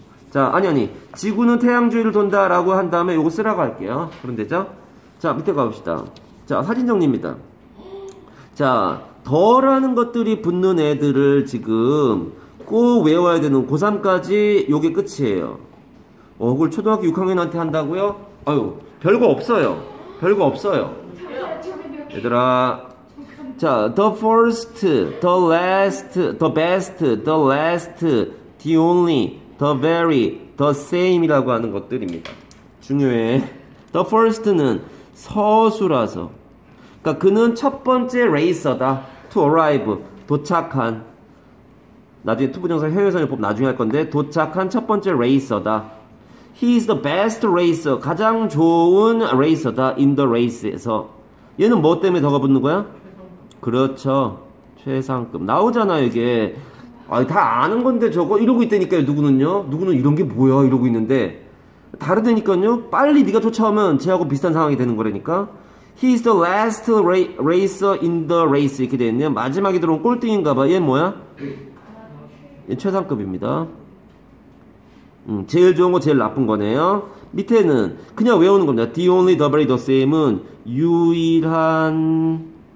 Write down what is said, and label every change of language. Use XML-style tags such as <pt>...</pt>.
<ko>자 아니 지구는 태양 주위를 돈다 라고 한 다음에 요거 쓰라고 할게요. 그런데죠. 자 밑에 가봅시다. 자 사진 정리입니다. 자 더라는 것들이 붙는 애들을 지금 꼭 외워야 되는 고3까지 요게 끝이에요. 그걸 초등학교 6학년한테 한다고요? 아유, 별거 없어요. 별거 없어요. 얘들아.</ko> <en>자, the first, the last, the best, the last, the only, the very, the same</en> <ko>이라고 하는 것들입니다. 중요해.</ko> <en>The first</en> <ko>는 서수라서. 그니까 그는 첫 번째 레이서다.</ko> <en>To arrive, 도착한.</en> <ko>나중에 투부정사 현유선에 보면 나중에 할 건데 도착한 첫 번째 레이서다.</ko> <en>He is the best racer.</en> <ko>가장 좋은 레이서다.</ko> <en>In the race에서.</en> <ko>얘는 뭐 때문에 더가 붙는 거야? 그렇죠. 최상급. 나오잖아 이게. 아니, 다 아는 건데 저거 이러고 있다니까요. 누구는요. 누구는 이런 게 뭐야 이러고 있는데. 다르다니까요. 빨리 네가 쫓아오면 쟤하고 비슷한 상황이 되는 거라니까.</ko> <en>He is the last racer in the race.</en> <ko>이렇게 되어 있네요. 마지막에 들어온 꼴등인가 봐. 얘 뭐야? 얘 최상급입니다. 제일 좋은 거 제일 나쁜 거네요. 밑에는 그냥 외우는 겁니다.</ko> <en>The only, the very, the same은</en> <ko>유일한...</ko>